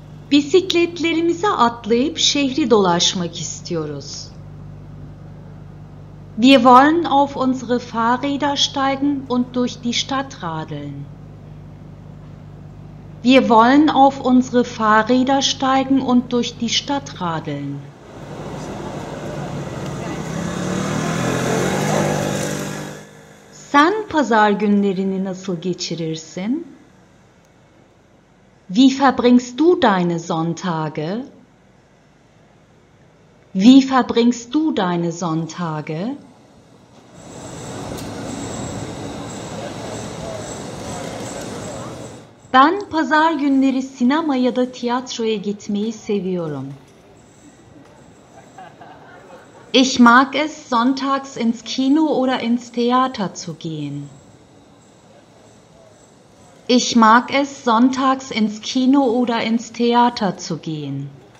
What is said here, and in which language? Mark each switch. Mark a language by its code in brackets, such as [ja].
[tr] Bisikletlerimize atlayıp şehri dolaşmak istiyoruz. [de] Wir wollen auf unsere Fahrräder steigen und durch die Stadt radeln. Wir wollen auf unsere Fahrräder steigen und durch die Stadt radeln. [tr] Sen pazar günlerini nasıl geçirirsin? [de] Wie verbringst du deine Sonntage? Wie verbringst du deine Sonntage? [tr] Ben pazar günleri sinema ya da tiyatroya gitmeyi seviyorum. [de] Ich mag es, sonntags ins Kino oder ins Theater zu gehen. Ich mag es, sonntags ins Kino oder ins Theater zu gehen.